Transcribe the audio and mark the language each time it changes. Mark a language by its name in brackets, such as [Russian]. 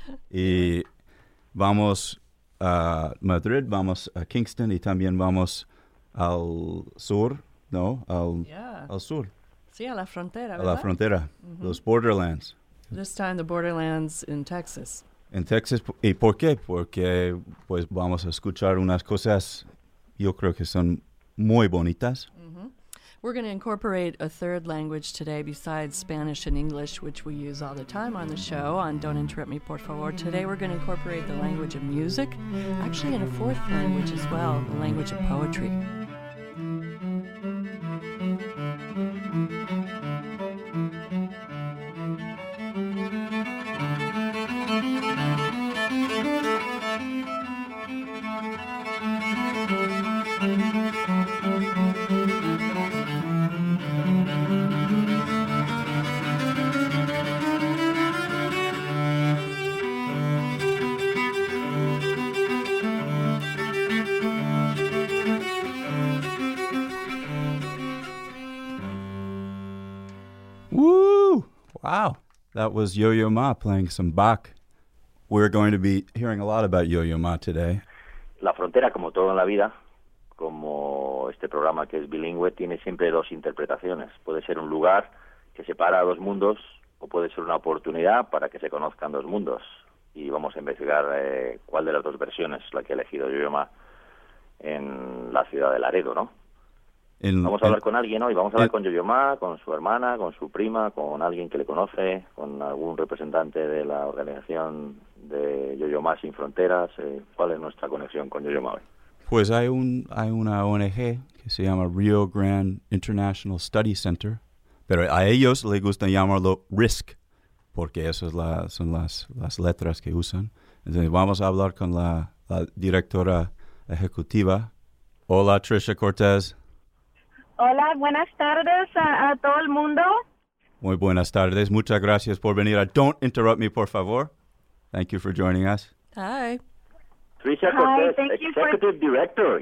[Spanish] Y vamos a Madrid, vamos a Kingston y también vamos al sur, ¿no? Al sur. Sí, a la frontera, ¿verdad? A la frontera, los borderlands. [English] This time the borderlands in Texas. [Spanish] En Texas, ¿y por qué? Porque pues vamos a escuchar unas cosas, yo creo que son muy bonitas. [English] We're going to incorporate a third language today besides Spanish and English, which we use all the time on the show on Don't Interrupt Me, Por Favor. Today we're going to incorporate the language of music, actually in a fourth language as well, the language of poetry. Wow, that was Yo-Yo Ma playing some Bach. We're going to be hearing a lot about Yo-Yo Ma today. [Spanish] La frontera, como todo en la vida, como este programa que es bilingüe, tiene siempre dos interpretaciones. Puede ser un lugar que separa dos mundos o puede ser una oportunidad para que se conozcan dos mundos. Y vamos a investigar cuál de las dos versiones es la que ha elegido Yo-Yo Ma en la ciudad de Laredo, ¿no? Vamos a hablar con Yo-Yo Ma, con su hermana, con su prima, con alguien que le conoce, con algún representante de la organización de Yo-Yo Ma Sin Fronteras. ¿Cuál es nuestra conexión con Yo-Yo Ma hoy? Pues hay una ONG que se llama Rio Grande International Study Center, pero a ellos les gusta llamarlo RISC, porque esas son las letras que usan. Entonces vamos a hablar con la directora ejecutiva. Hola, Trisha Cortez. Hola, buenas tardes a todo el mundo. Muy buenas tardes. Muchas gracias por venir a Don't Interrupt Me, Por Favor. [English] Thank you for joining us. Hi. Trisha Cortez, Executive Director.